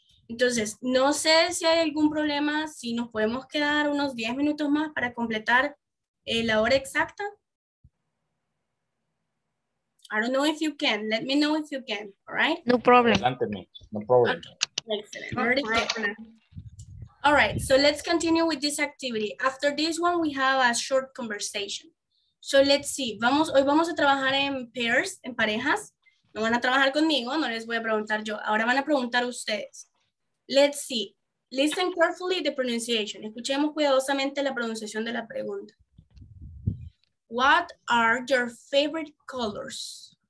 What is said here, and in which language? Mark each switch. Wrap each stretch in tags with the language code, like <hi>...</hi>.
<es>Entonces, no sé si hay algún problema, si nos podemos quedar unos 10 minutos más para completar la hora exacta.</es> <en>I don't know if you can. Let me know if you can, all right? No problem.</en> <es>Adelante,</es> <en>no problem.</en> <es>Okay.</es> <en>Excellent. All right, so let's continue with this activity. After this one, we have a short conversation. So let's see.</en> <es>Hoy vamos a trabajar en pairs, en parejas. No van a trabajar conmigo, no les voy a preguntar yo. Ahora van a preguntar ustedes.</es> <en>Let's see. Listen carefully the pronunciation.</en> <es>Escuchemos cuidadosamente la pronunciación de la pregunta.</es> <en>What are your favorite colors?</en>